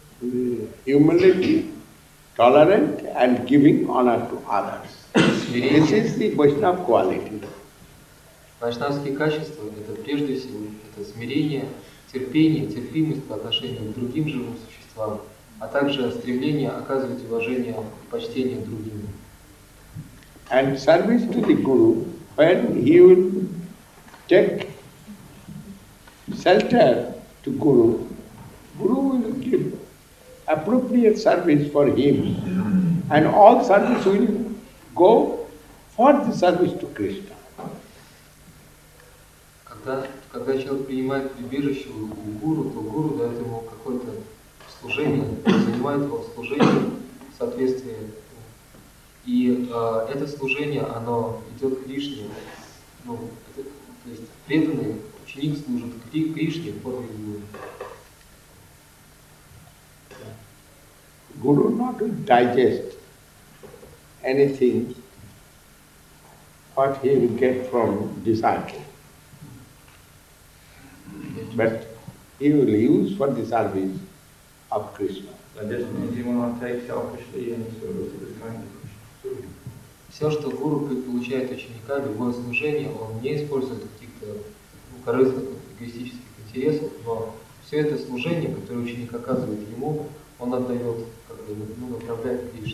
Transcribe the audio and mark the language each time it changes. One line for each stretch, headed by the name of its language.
English: Humility, tolerant and giving honor to others. This is the Vaishnava quality.
Russian: Вайшнавские качества – это прежде всего это смирение, терпение, терпимость по отношению к другим живым существам, а также стремление оказывать уважение и почтение другим.
English: And service to the Guru, when he will take shelter to Guru, Guru will give appropriate service for him, and all service will go for the service to Krishna.
Russian: Когда человек принимает прибежище у гуру, то гуру дает ему какое-то служение, занимает его в служении в соответствии. И это служение, оно идет Кришне. Ну, это, то есть преданный ученик служит Кришне в форме гуру.
English: Гуру not to digest anything what he will get from disciple. But he will use for the service of Krishna. That doesn't mean he will not take selfishly any service of his kind to Krishna.
Russian: Все, что гуру получает ученика, любое служение, он не использует каких-то корыстных эгоистических интересов, но все это служение, которое ученик оказывает ему, он отдает, как бы, ну, направляет к Кришне.